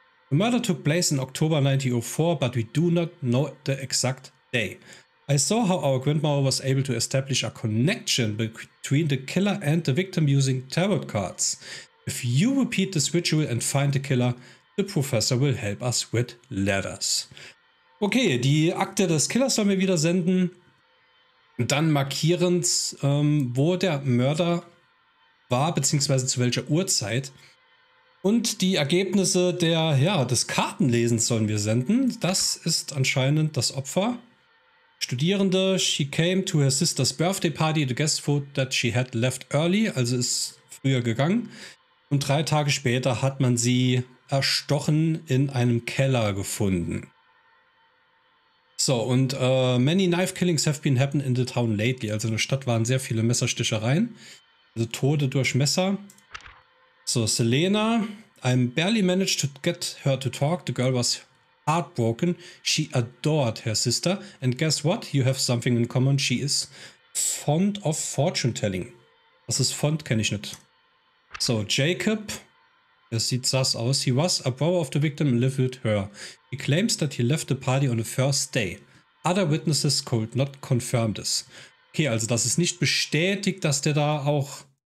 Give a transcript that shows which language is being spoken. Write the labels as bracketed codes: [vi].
[en] The murder took place in October 1904, but we do not know the exact day. I saw how our grandmother was able to establish a connection between the killer and the victim using tarot cards. If you repeat this ritual and find the killer, the professor will help us with letters. [de] Okay, die Akte des Killers sollen wir wieder senden. Dann markieren, wo der Mörder war, beziehungsweise zu welcher Uhrzeit. Und die Ergebnisse der, ja, des Kartenlesens sollen wir senden. Das ist anscheinend das Opfer. [en] Studierende, she came to her sister's birthday party, the guest food that she had left early, [de] also ist früher gegangen. Und 3 Tage später hat man sie erstochen in einem Keller gefunden. [en] So, und many knife killings have been happened in the town lately. [de] Also in der Stadt waren sehr viele Messerstichereien. Also Tode durch Messer. So, Selena. [en] I barely managed to get her to talk. The girl was heartbroken. She adored her sister. And guess what? You have something in common. She is fond of fortune telling. [de] Was ist fond? Kenne ich nicht. So, Jacob. Er sieht sass aus. [en] He was a brother of the victim and lived with her. He claims that he left the party on the first day. Other witnesses could not confirm this. [de] Okay, also das ist nicht bestätigt, dass der da auch...